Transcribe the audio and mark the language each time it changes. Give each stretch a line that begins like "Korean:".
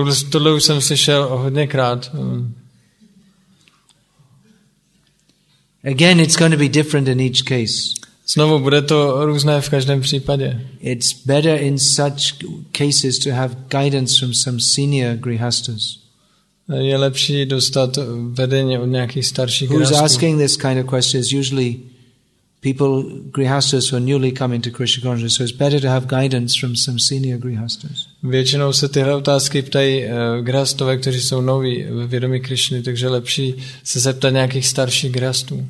Czech: Tohle už jsem slyšel hodněkrát.
English: Again, it's going to be different in each case.
Czech: Znovu, bude to různé v každém případě.
English: It's better in such cases to have guidance from some senior grihasthas.
Czech: Je lepší dostat vedení od nějakých starších grihasthů.
English: Who's asking this kind of question is usually people grihasthas who are newly coming to Krishna consciousness, so it's better to have guidance from some senior grihasthas.
Czech: Většinou se tyhle otázky ptají grihasthové, kteří jsou noví ve vědomí Krishny, takže lepší se zeptat nějakých starších grihasthů.